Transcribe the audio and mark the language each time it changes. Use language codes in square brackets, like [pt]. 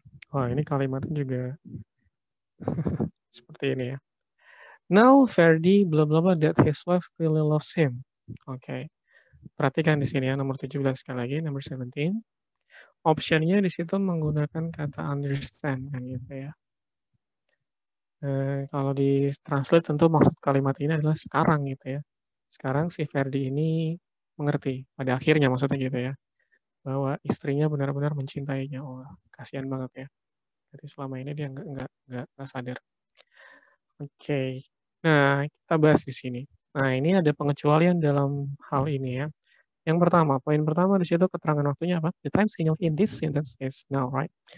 [id] Wah, ini kalimatnya juga seperti ini ya. [en] Now Ferdi blah blah blah that his wife really loves him. [id] Okay. Perhatikan di sini ya, nomor 17 sekali lagi, [en] number 17. [id] Option-nya di situ menggunakan kata understand kan gitu ya. Kalau di translate tentu maksud kalimat ini adalah sekarang gitu ya. Sekarang si Ferdi ini mengerti pada akhirnya maksudnya gitu ya, bahwa istrinya benar-benar mencintainya. Oh, kasihan banget ya, jadi selama ini dia nggak sadar. Okay. Nah, kita bahas di sini. Nah, ini ada pengecualian dalam hal ini ya. Yang pertama, poin pertama di situ keterangan waktunya apa? [en] The time signal in this sentence is now, right?